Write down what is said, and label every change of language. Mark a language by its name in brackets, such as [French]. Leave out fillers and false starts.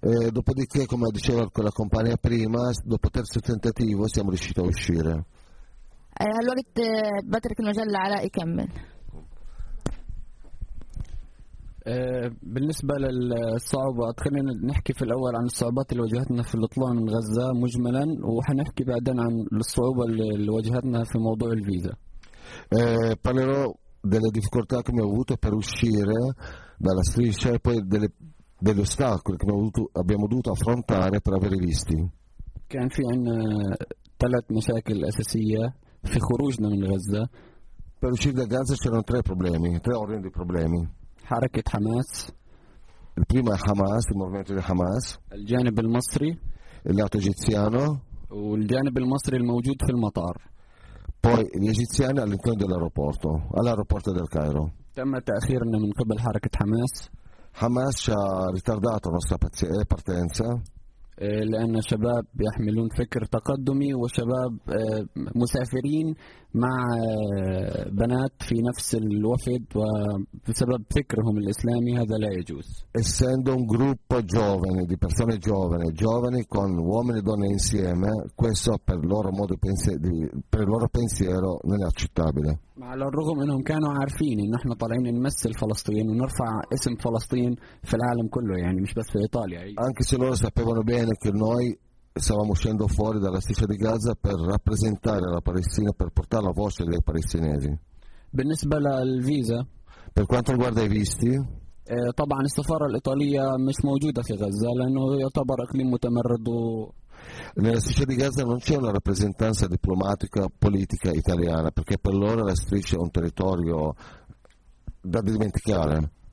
[Italian] Dopodiché, come diceva la compagna prima, dopo terzo tentativo siamo riusciti a uscire. [Arabic] Allora بترك المجال لعلاء يكمل. بالنسبة للصعوبات خلينا نحكي في الأول عن الصعوبات اللي واجهتنا في الإطلاع من غزة مجملا وحنحكي بعدين عن الصعوبة اللي واجهتنا في موضوع الفيزا. [Italian] Parlerò delle difficoltà che abbiamo avuto per uscire dalla striscia e poi degli ostacoli che abbiamo dovuto affrontare per avere visti. [Arabic] كان في عنا ثلاث مشاكل أساسية في خروجنا من غزة. [Italian] Per uscire da Gaza c'erano tre problemi, tre ordini di problemi. [Arabic] حركة حماس. [Italian] Prima Hamas, il movimento di Hamas. [Arabic] الجانب المصري. [Italian] Il lato egiziano. [Arabic] والجانب المصري الموجود في المطار. [Italian] Poi gli egiziani all'interno dell'aeroporto, all'aeroporto del Cairo. [Arabic] تم تأخيرنا من قبل حركة حماس. [Italian] Hamas ci ha ritardato la nostra partenza. [Arabic] لأن شباب يحملون فكر تقدمي وشباب مسافرين مع بنات في نفس الوفد وبسبب فكرهم الإسلامي هذا لا يجوز. [Italian] Essendo un gruppo giovane di persone giovani, giovani con uomini e donne insieme, questo per loro modo per loro pensiero non è accettabile. [Arabic] مع الرغم أنهم كانوا عارفين إن إحنا طالعين نمثل فلسطين ونرفع اسم فلسطين في العالم كله يعني مش بس في إيطاليا. [Italian] Anche se loro sapevano bene che noi stavamo uscendo fuori dalla striscia di Gaza per rappresentare la Palestina, per portare la voce dei palestinesi. [Arabic] بالنسبة للفيزا. [Italian] Per quanto riguarda i visti. [Arabic] طبعا السفارة الإيطالية مش موجودة في غزة لأنه يعتبر إقليم متمرد. [Italian] Nella striscia di Gaza non c'è una rappresentanza diplomatica politica italiana perché per loro la striscia è un territorio da dimenticare.